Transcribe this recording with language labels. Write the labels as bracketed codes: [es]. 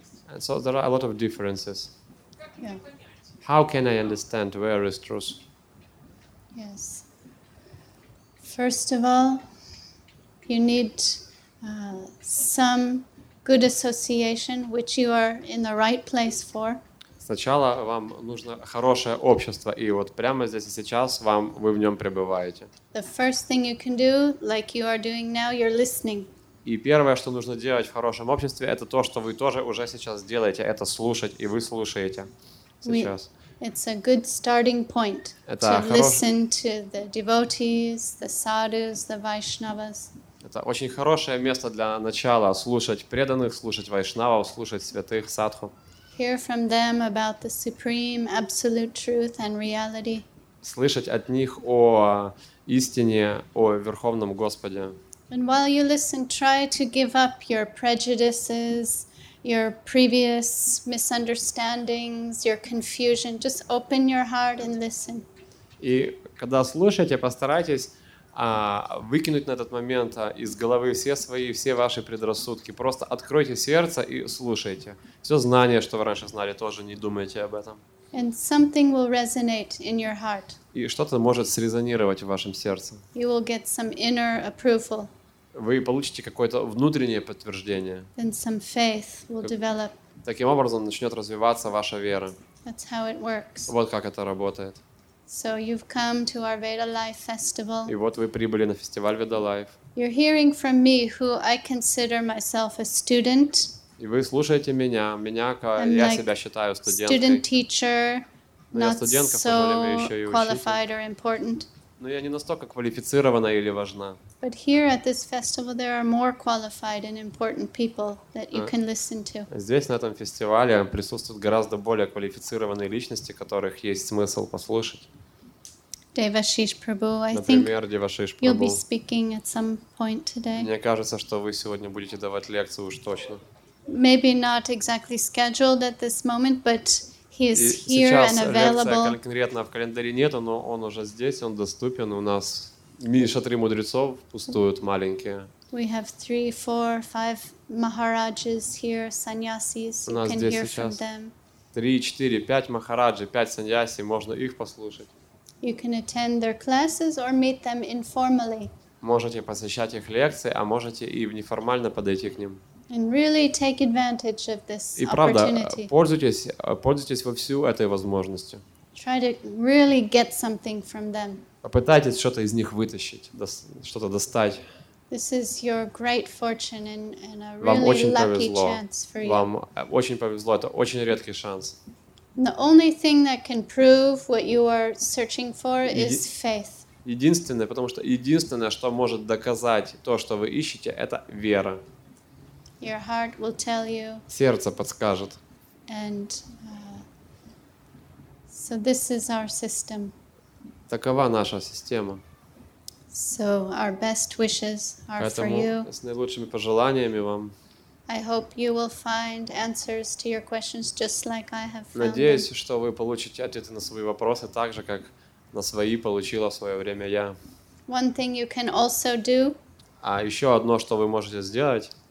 [en] And so there are a lot of differences. Yeah. How can I understand where is truth? Yes. First of all, you need some good association, which you are in the right place for. [ru] Сначала вам нужно хорошее общество, и вот прямо здесь и сейчас вам вы в нем пребываете. [en] The first thing you can do, like you are doing now, you're listening. [ru] И первое, что нужно делать в хорошем обществе, это то, что вы тоже уже сейчас делаете, это слушать, и вы слушаете сейчас. [en] It's a good starting point to listen to the devotees, the sadhus, the Vaishnavas. [ru] Это очень хорошее место для начала слушать преданных, слушать вайшнавов, слушать святых, садху. [en] Hear from them about the supreme absolute truth and reality. [ru] Слышать от них о истине, о Верховном Господе. [en] And while you listen, try to give up your prejudices, your previous misunderstandings, your confusion. Just open your heart and listen. [ru] И когда слушаете, постарайтесь выкинуть на этот момент из головы все свои, все ваши предрассудки. Просто откройте сердце и слушайте. Все знания, что вы раньше знали, тоже не думайте об этом. [en] And something will resonate in your heart. [ru] И что-то может срезонировать в вашем сердце. [en] You will get some inner approval. [ru] Вы получите какое-то внутреннее подтверждение. [en] And some faith will develop. [ru] Таким образом начнет развиваться ваша вера. [en] That's how it works. [ru] Вот как это работает. [en] So you've come to our Veda Life Festival. [ru] И вот вы прибыли на фестиваль Veda Life. [en] You're hearing from me, who I consider myself a student. [ru] И вы слушаете меня, я себя считаю студенткой. [en] Student teacher, not so qualified or important. [ru] Но я не настолько квалифицирована или важна. [en] But here at this festival, there are more qualified and important people that you can listen to. [ru] Здесь на этом фестивале присутствуют гораздо более квалифицированные личности, которых есть смысл послушать. [en] Devashish Prabhu, [ru] например, Devashish Prabhu. [en] You'll be speaking at some point today. [ru] Мне кажется, что вы сегодня будете давать лекцию уж точно. [en] Maybe not exactly scheduled at this moment, but he is here and available. [ru] Сейчас лекции конкретно в календаре нету, но он уже здесь, он доступен у нас. Шатри мудрецов пустуют, маленькие. [en] We have 3, 4, 5 Maharajas here, sannyasis. You can hear from them. [ru] 3, 4, 5 Махараджи, 5 саньяси, можно их послушать. [en] You can attend their classes or meet them informally. [ru] Можете посещать их лекции, а можете и неформально подойти к ним. [en] And really take advantage of this opportunity. [ru] И правда, пользуйтесь вовсю этой возможностью. [en] Try to really get something from them. [ru] Попытайтесь что-то из них вытащить, что-то достать. [en] This is your great fortune and a really lucky chance for you. [ru] Вам очень повезло. Это очень редкий шанс. [en] The only thing that can prove what you are searching for is faith. [ru] Единственное, потому что единственное, что может доказать то, что вы ищете, это вера. [en] Your heart will tell you. [ru] Сердце подскажет. [en] And so this is our system. [ru] Такова наша система. [en] So our best wishes are for you. [ru] Поэтому с наилучшими пожеланиями вам. [en] I hope you will find answers to your questions just like I have found. [ru] Надеюсь, что вы получите ответы на свои вопросы так же, как на свои получила в свое время я. [en] One thing you can also do. [ru] А еще одно, что вы можете сделать.